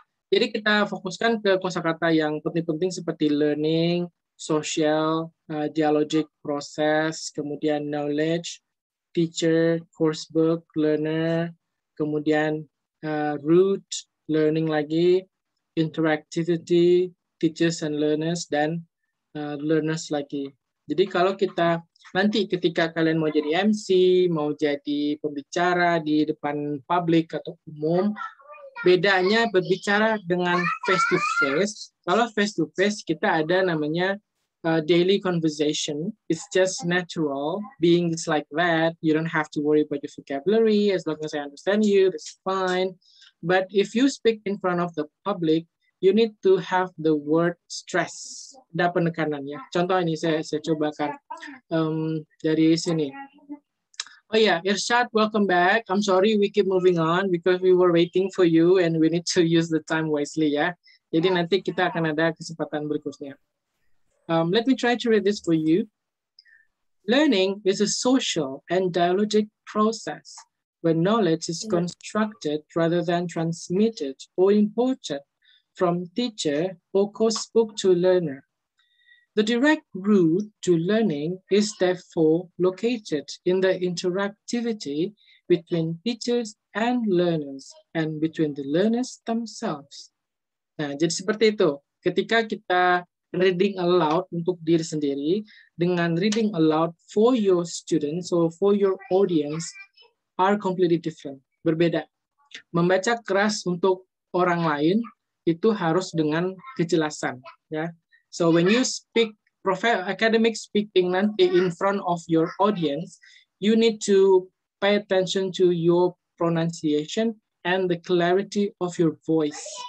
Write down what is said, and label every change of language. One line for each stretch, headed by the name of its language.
Indonesian: Jadi kita fokuskan ke kosakata yang penting-penting seperti learning, social, dialogic process, kemudian knowledge, teacher, course book, learner, kemudian root, learning lagi, interactivity, teachers and learners, dan learners lagi. Jadi kalau kita nanti ketika kalian mau jadi MC, mau jadi pembicara di depan publik atau umum, bedanya berbicara dengan face to face. Kalau face to face kita ada namanya daily conversation,
English: it's just natural, being just like that, you don't have to worry about your vocabulary, as long as I understand you, that's fine. But if you speak in front of the public, you need to have the word stress.
Indonesian: Ada penekanannya. Contoh ini saya cobakan dari sini.
English: Oh yeah, Irsyad, welcome back. I'm sorry we keep moving on because we were waiting for you and we need to use the time wisely.
Indonesian: Ya. Jadi nanti kita akan ada kesempatan berikutnya.
English: Let me try to read this for you. Learning is a social and dialogic process where knowledge is constructed rather than transmitted or imported from teacher or course book to learner. The direct route to learning is therefore located in the interactivity between teachers and learners and between the learners themselves.
Indonesian: Nah, jadi seperti itu. Ketika kita
English: reading aloud untuk diri sendiri, dengan reading aloud for your students or for your audience are completely different.
Indonesian: Berbeda. membaca keras untuk orang lain itu harus dengan kejelasan, ya.
English: So when you speak academic speaking
Indonesian: nanti
English: in front of your audience, you need to pay attention to your pronunciation and the clarity of your voice.